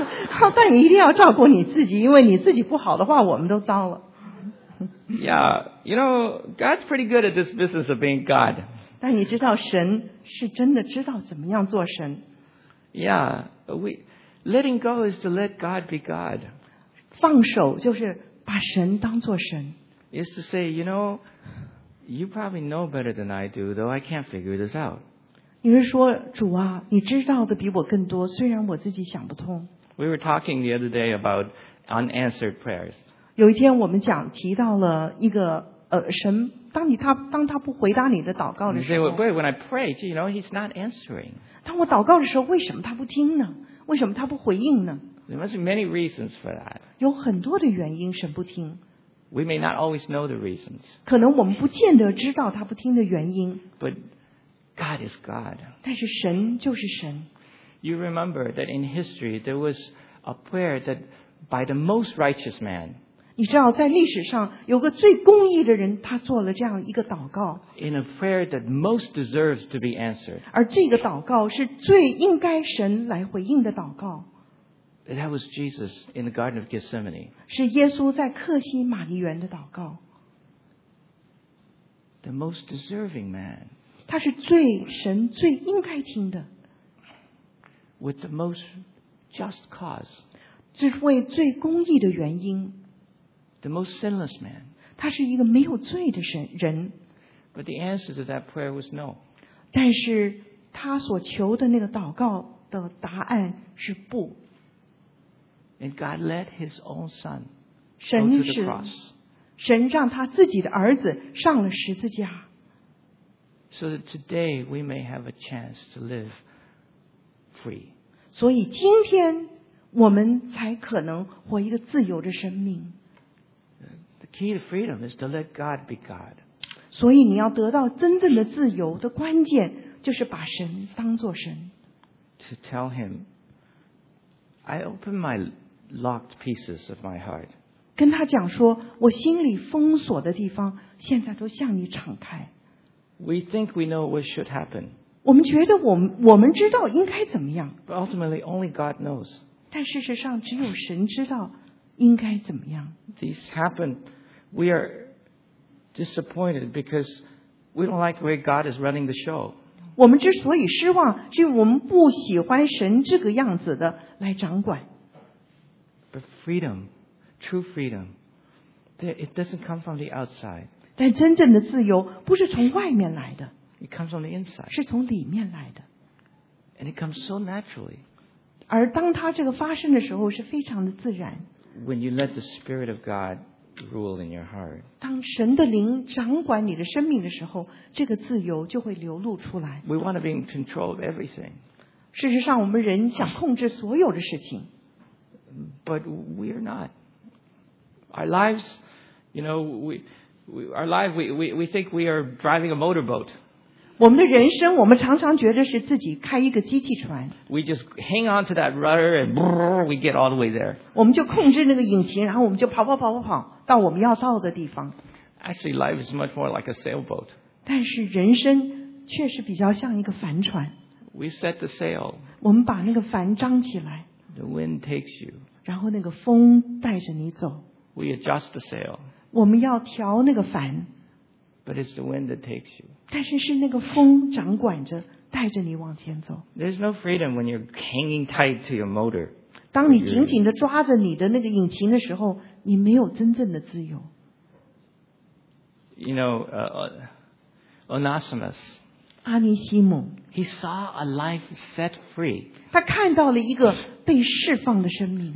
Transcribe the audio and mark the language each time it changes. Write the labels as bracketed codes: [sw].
[zh] 他说：“但你一定要照顾你自己，因为你自己不好的话，我们都糟了。 [en] ”Yeah, you know, God's pretty good at this business of being God. [zh] 但你知道神是真的知道怎么样做神。 [en] Yeah, letting go is to let God be God. [zh] 放手就是把神当作神。 [en] It's to say, you know, you probably know better than I do, though I can't figure this out. [zh] 你是说主啊，你知道的比我更多，虽然我自己想不通。 [en] We were talking the other day about unanswered prayers. [zh] 有一天我们提到了一个神。当他不回答你的祷告的时候 [en] say, When I pray, you know, he's not answering. [zh] 当我祷告的时候为什么他不听呢为什么他不回应呢 [en] There must be many reasons for that. [zh] 有很多的原因神不听 [en] We may not always know the reasons. [zh] 可能我们不见得知道他不听的原因 [en] But God is God. [zh] 但是神就是神 [en] You remember that in history there was a prayer that by the most righteous man, [zh] 你知道在历史上有个最公义的人他做了这样一个祷告 [en] In a prayer that most deserves to be answered. [zh] 而这个祷告是最应该神来回应的祷告 [en] That was Jesus in the Garden of Gethsemane. [zh] 是耶稣在客西马尼园的祷告 [en] The most deserving man. [zh] 他是最神最应该听的 [en] With the most just cause. [zh] 是为最公义的原因 [en] The most sinless man. [zh] 他是一个没有罪的人。 [en] But the answer to that prayer was no. [zh] 但是他所求的那个祷告的答案是不。 [en] And God let his own son go to the cross. [zh] 神让他自己的儿子上了十字架。 [en] So that today we may have a chance to live free. [zh] 所以今天我们才可能活一个自由的生命。 [en] Key to freedom is to let God be God. [zh] 所以你要得到真正的自由的关键就是把神当作神。 [en] To tell him, I open my locked pieces of my heart. [zh] 跟他讲说，我心里封锁的地方，现在都向你敞开。 [en] We think we know what should happen. [zh] 我们觉得我们知道应该怎么样。 [en] But ultimately, only God knows. [zh] 但事实上，只有神知道应该怎么样。 [en] These happen, we are disappointed because we don't like the way God is running the show. [zh] 我们之所以失望，是因为我们不喜欢神这个样子的来掌管。 [en] But freedom, true freedom, it doesn't come from the outside. [zh] 但真正的自由不是从外面来的。 [en] It comes from the inside. [zh] 是从里面来的。 [en] And it comes so naturally. [zh] 而当它这个发生的时候，是非常的自然。 [en] When you let the Spirit of God rule in your heart, [zh] 当神的灵掌管你的生命的时候，这个自由就会流露出来。 [en] We want to be in control of everything. [zh] 事实上，我们人想控制所有的事情。 But we're not. [en] Our lives, you know, we think we are driving a motorboat. [zh] 我们的人生，我们常常觉得是自己开一个机器船。 [en] We just hang on to that rudder and we get all the way there. [zh] 我们就控制那个引擎，然后我们就跑跑跑跑跑到我们要到的地方。 [en] Actually, life is much more like a sailboat. [zh] 但是人生确实比较像一个帆船。 [en] We set the sail. [zh] 我们把那个帆张起来。 [en] The wind takes you. [zh] 然后那个风带着你走。 [en] We adjust the sail. [zh] 我们要调那个帆。 [en] But it's the wind that takes you. [zh] 但是是那个风掌管着，带着你往前走。 [en] There's no freedom when you're hanging tight to your motor. [zh] 当你紧紧的抓着你的那个引擎的时候，你没有真正的自由。 [en] You know, Onesimus. [zh] 阿尼西姆。 [en] He saw a life set free. [zh] 他看到了一个被释放的生命。